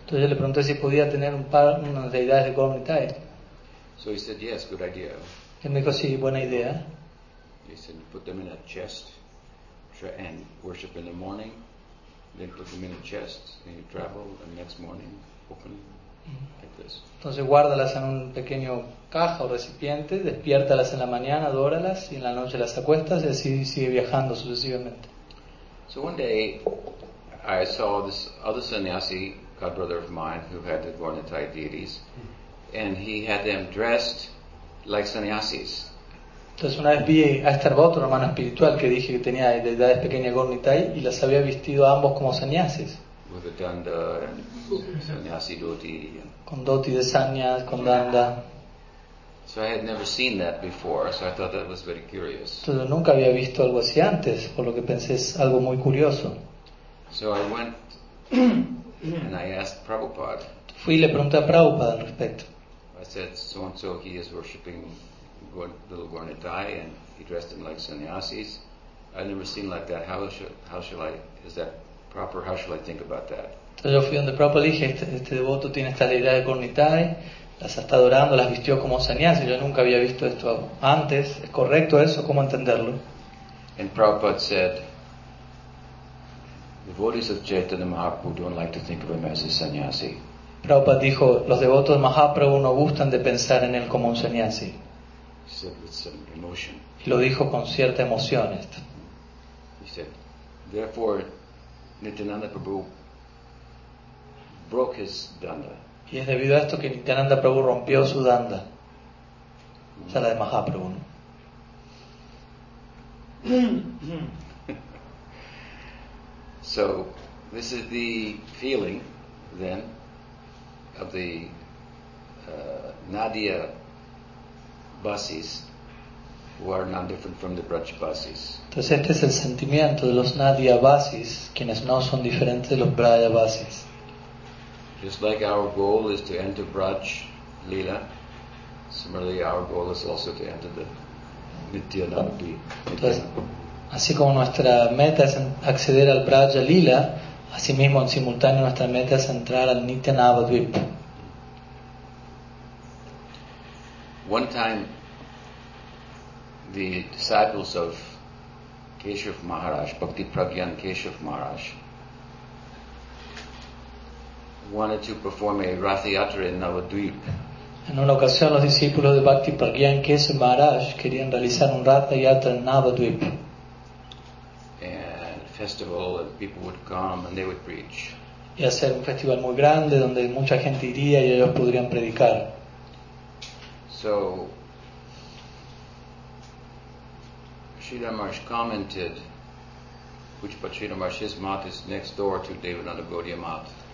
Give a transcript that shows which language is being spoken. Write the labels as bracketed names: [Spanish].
[Spanish] yo le pregunté si podía tener unas deidades de Gornitai. [English] So he said, yes, good idea. [Spanish] Él me dijo, sí, buena idea. [English] He said, put them in a chest and worship in the morning, then put them in a chest and you travel, and next morning, open. [Spanish] Entonces guárdalas en un pequeño caja o recipiente, despiértalas en la mañana, adóralas y en la noche las acuestas y así sigue viajando sucesivamente. [English] So one day I saw this other sannyasi, god brother of mine, who had the Gornitai deities, and he had them dressed like sannyasis. [Spanish] Entonces una vez vi a este otro hermano espiritual que dije que tenía deidades pequeñas Gornitai y las había vestido a ambos como sannyasis. [English] With a danda and sannyasi dhoti. [Spanish] Con dhoti de sannyas, con danda. [English] So I had never seen that before, so I thought that was very curious. [Spanish] Entonces, nunca había visto algo así antes, por lo que pensé es algo muy curioso. [English] So I went and I asked Prabhupada. [Spanish] Fui y le pregunté a Prabhupada al respecto. [English] I said, so and so, he is worshipping little Gornitai and he dressed him like sannyasis. I've never seen like that. Is that proper, how shall I think about that? [Spanish] Entonces yo fui donde Prabhupada, le dije, este devoto tiene esta deidad de Gornitai, las está adorando, las vistió como sannyasi, yo nunca había visto esto antes, ¿es correcto eso? ¿Cómo entenderlo? [English] And Prabhupada said, devotees of Caitanya Mahaprabhu don't like to think of him as a sannyasi. [Spanish] Prabhupada dijo, los devotos de Mahaprabhu no gustan de pensar en él como un sannyasi. [English] He said with some emotion. [Spanish] Y lo dijo con cierta emoción esto. [English] He said, therefore, Nityananda Prabhu broke his danda. [Spanish] Y es debido a esto que Nityananda Prabhu rompió su danda. O sea, la de Mahaprabhu. [English] So, this is the feeling, then, of the Nadia buses who are not different from the Brajavasis. [Spanish] Presente es el sentimiento de los Nadiavasis, quienes no son diferentes de los Brajavasis. [English] Just like our goal is to enter Braj Lila, similarly our goal is also to enter the Nityanandi. [Spanish] Entonces, así como nuestra meta es acceder al Braj Lila, asimismo en simultáneo nuestra meta es entrar al Nityanavadvip. [English] One time, the disciples of Keshav Maharaj, Bhakti Pragyan Keshav Maharaj, wanted to perform a Rath Yatra in Navadvip. [Spanish] En una ocasión, los discípulos de Bhakti Pragyan Keshav Maharaj querían realizar un Rath Yatra en Navadvip. [English] And a festival, and people would come and they would preach. [Spanish] Y hacer un festival muy grande donde mucha gente iría y ellos podrían predicar. [English] So, Srila Maharaj commented, which Srila Maharaj's mat is next door to Devananda Gaudiya mat.